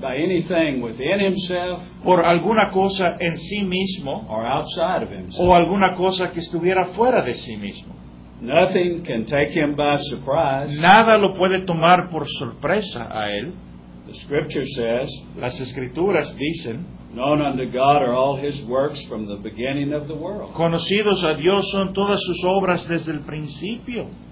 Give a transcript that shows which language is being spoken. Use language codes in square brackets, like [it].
[en] by anything within himself, [es] por alguna cosa en sí mismo, [en] or outside of himself, [es] o alguna cosa que estuviera fuera de sí mismo? [en] Nothing can take him by surprise. [es] Nada lo puede tomar por sorpresa a él. [en] The scripture says, [es] las escrituras dicen, [en] known unto God are all his works from the beginning of the world. [es] Conocidos a Dios son todas sus obras desde el principio.